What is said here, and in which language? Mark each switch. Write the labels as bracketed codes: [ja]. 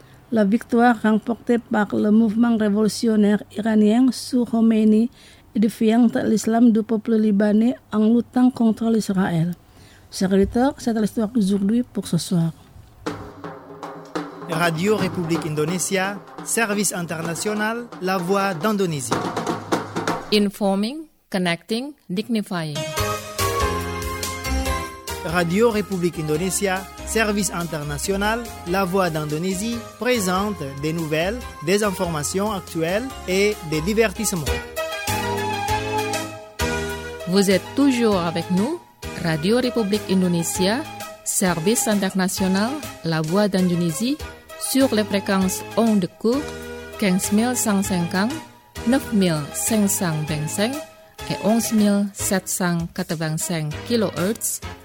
[fr] La victoire remportée par le mouvement révolutionnaire iranien sous Khomeini édifiant l'islam du peuple libanais en luttant contre l'Israël. C'est l'histoire d'aujourd'hui pour ce soir. Radio République Indonesia, service international, la voix d'Indonésie. [en] Informing, connecting, dignifying. [fr] Radio République Indonesia, service international, la voix d'Indonésie, présente des nouvelles, des informations actuelles et des divertissements. Vous êtes toujours avec nous, Radio République Indonesia, service international, la voix d'Indonésie, sur les fréquences ondes courtes 15150, 9525 et 11785 kHz.